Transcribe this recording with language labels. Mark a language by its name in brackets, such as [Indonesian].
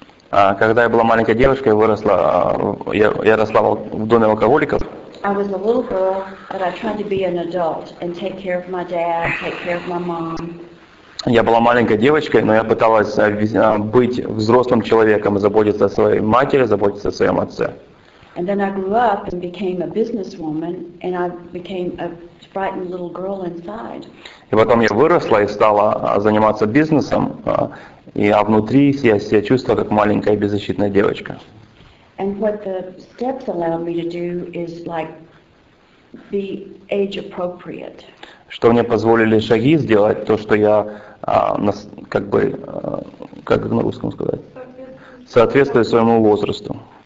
[Russian] Когда я была маленькой девушкой, я росла в доме алкоголиков. [English] I was a little girl, but I tried to be an adult and take care of my dad, take care of my mom. [Russian] Я была маленькой девочкой, но я пыталась быть взрослым человеком, заботиться о своей матери, заботиться о своем отце. [English] And then I grew up and became a businesswoman, and I became a frightened little girl inside. [Russian] И потом я выросла и стала заниматься бизнесом, а внутри я себя чувствовала как маленькая беззащитная девочка. [English] And what the steps allowed me to do is like be age appropriate. [Russian] Что мне позволили шаги сделать, то, что я как бы, как на русском сказать, соответствую своему возрасту.